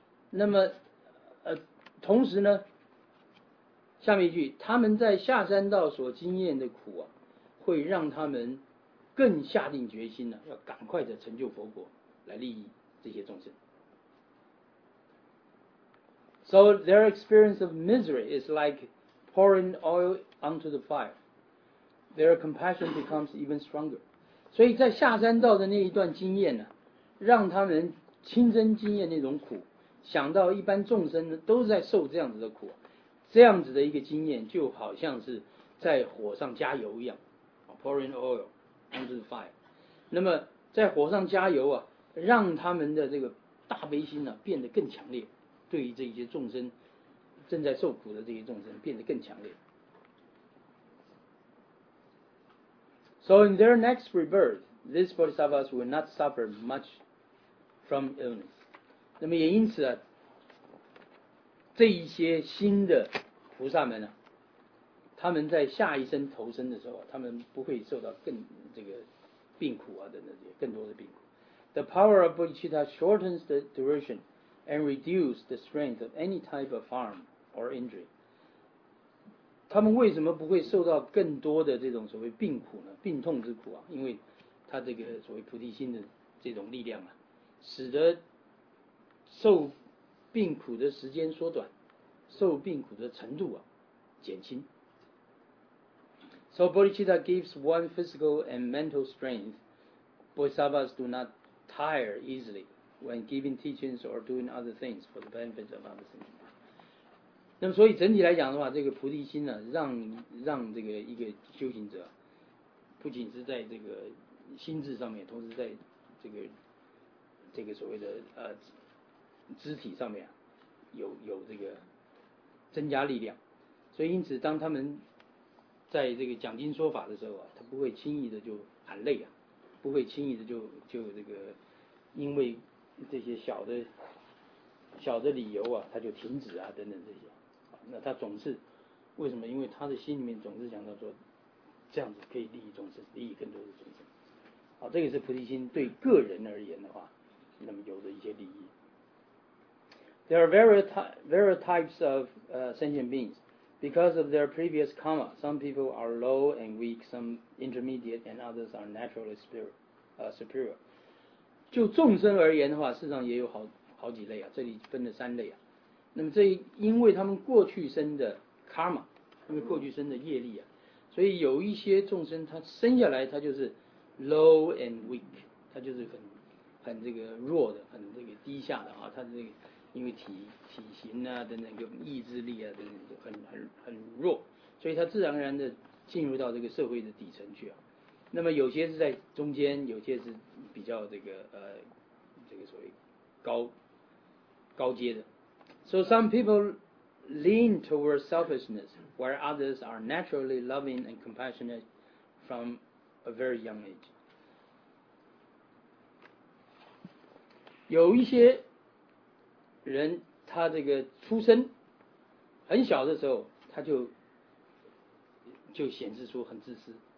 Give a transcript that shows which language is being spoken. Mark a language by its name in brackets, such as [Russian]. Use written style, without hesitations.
[Chinese] 那么同时呢，下面一句，他们在下三道所经验的苦啊，会让他们更下定决心呢，要赶快的成就佛果来利益这些众生。 [English] So their experience of misery is like pouring oil onto the fireTheir compassion becomes even stronger. [Chinese] 所以在下三道的那一段经验呢，让他们亲身经验那种苦，想到一般众生呢都在受这样子的苦，这样子的一个经验就好像是在火上加油一样 ， [English] pouring oil onto the fire. [Chinese] 那么在火上加油啊，让他们的这个大悲心呢、啊、变得更强烈，对于这些众生正在受苦的这些众生变得更强烈。 [English] So in their next rebirth, these bodhisattvas will not suffer much from illness. [Chinese] 那么也因此啊，这一些新的菩萨们呢、啊，他们在下一生投生的时候，他们不会受到更这个病苦啊等等这些更多的病苦。 [English] The power of bodhicitta shortens the duration and reduces the strength of any type of harm or injury. [Chinese] 他们为什么不会受到更多的这种所谓病苦呢？病痛之苦啊，因为他这个所谓菩提心的这种力量啊，使得受病苦的时间缩短，受病苦的程度啊减轻。 [English] So bodhicitta gives one physical and mental strength. Bodhisattvas do not tire easily when giving teachings or doing other things for the benefit of others. [Chinese] 那么所以整体来讲的话，这个菩提心呢、啊、让这个一个修行者不仅是在这个心智上面，同时在这个所谓的肢体上面、啊、有这个增加力量。所以因此当他们在这个讲经说法的时候啊，他不会轻易的就喊累啊，不会轻易的就这个因为这些小的理由啊他就停止啊等等这些。那他总是为什么？因为他的心里面总是想到说，这样子可以利益众生，利益更多的众生。好，这个是菩提心对个人而言的话，那么有的一些利益。 [English] There are various types of sentient beings. Because of their previous karma, some people are low and weak, some intermediate, and others are naturally superior. [Chinese] 就众生而言的话，事实上也有好几类啊，这里分了三类啊。那么这因为他们过去生的 karma， 因为过去生的业力啊，所以有一些众生他生下来他就是 [English] low and weak， [Chinese] 他就是很很这个弱的，很这个低下的啊，他这个因为体型啊等等，就意志力啊等等，就很弱，所以他自然而然的进入到这个社会的底层去啊。那么有些是在中间，有些是比较这个这个所谓高阶的。 [English] So some people lean towards selfishness, while others are naturally loving and compassionate from a very young age. [Chinese] 有一些人，他这个出生很小的时候，他就显示出很自私。